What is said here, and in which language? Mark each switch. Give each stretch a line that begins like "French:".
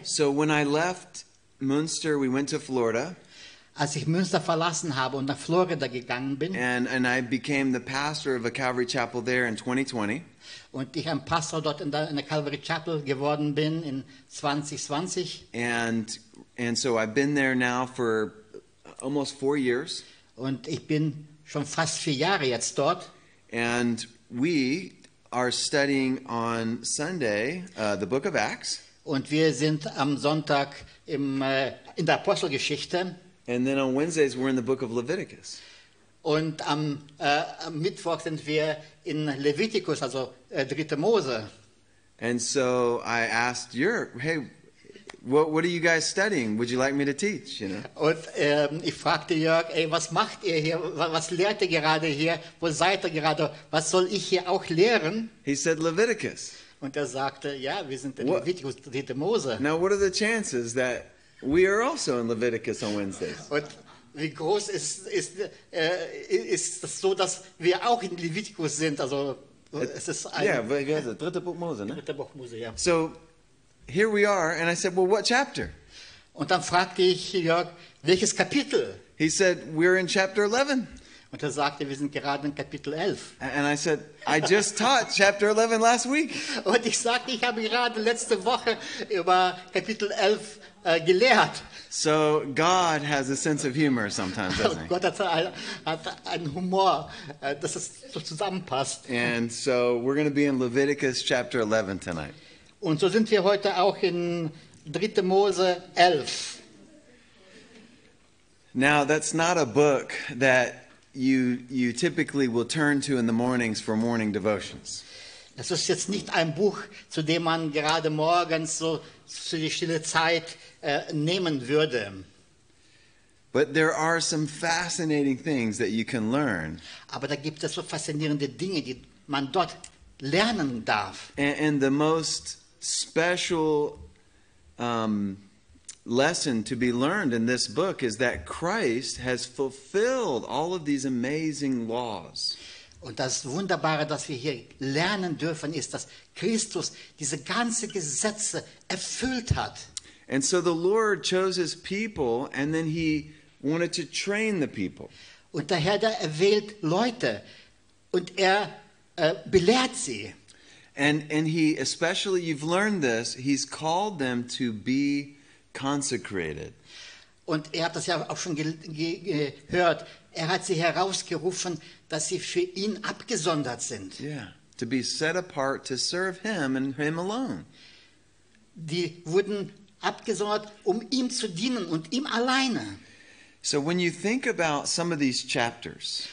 English: So when I left Münster, we went to Florida.
German: Als ich Münster verlassen habe und nach Florida gegangen bin.
English: And I became the pastor of a Calvary Chapel there in 2020.
German: Und ich ein Pastor dort in der Calvary Chapel geworden bin in 2020.
English: And so I've been there now for almost 4 years.
German: Und ich bin schon fast 4 Jahre jetzt dort.
English: And we are studying on Sunday the book of Acts.
German: Und wir sind am Sonntag in der Apostelgeschichte.
English: And then on Wednesdays we're in the book of Leviticus.
German: Und am Mittwoch sind wir in Leviticus, also dritte Mose.
English: And so I asked Jörg, hey, what are you guys studying? Would you like me to teach? You know.
German: Und ich fragte Jörg, ey, was macht ihr hier? Was lehrt ihr gerade hier? Wo seid ihr gerade? Was soll ich hier auch lehren?
English: He said Leviticus.
German: Und sagte, ja, wir sind in Leviticus, dritte Mose.
English: Now, what are the chances that we are also in Leviticus on Wednesdays?
German: Und wie groß ist das so, dass wir auch in Leviticus sind? Also es ist ein.
English: Yeah, but it's the
German: dritte Buch Mose, ne? Dritte Buch Mose, ja.
English: So here we are, and I said, well, what chapter?
German: Und dann fragte ich Jörg, welches Kapitel?
English: He said, we're in chapter 11.
German: Und sagte, wir sind gerade in Kapitel 11.
English: And I said, I just taught chapter 11 last week.
German: Und ich sagte, ich habe gerade letzte Woche über Kapitel 11 gelehrt.
English: So God has a sense of humor sometimes, doesn't he?
German: Gott hat einen Humor, dass es so zusammenpasst.
English: And so we're going to be in Leviticus chapter 11 tonight.
German: Und so sind wir heute auch in 3. Mose 11.
English: Now, that's not a book that you typically will turn to in the mornings for morning devotions.
German: Das ist jetzt nicht ein Buch, zu dem man gerade morgens so für die stille Zeit nehmen würde.
English: But there are some fascinating things that you can learn.
German: Aber da gibt es so faszinierende Dinge, die man dort lernen darf.
English: And the most special lesson to be learned in this book is that Christ has fulfilled all of these amazing laws.
German: Und das Wunderbare, das wir hier lernen dürfen, ist, dass Christus diese ganze Gesetze erfüllt hat.
English: And so the Lord chose his people and then he wanted to train the people.
German: Und der Herr, der erwählt Leute und belehrt sie.
English: And he, especially, you've learned this, he's called them to be consecrated.
German: Und hat das ja auch schon gehört. Hat sie herausgerufen, dass sie für ihn abgesondert sind.
English: Yeah, to be set apart to serve him and him alone.
German: Die wurden abgesondert, um ihm zu dienen und ihm alleine.
English: So when you think about some of these chapters,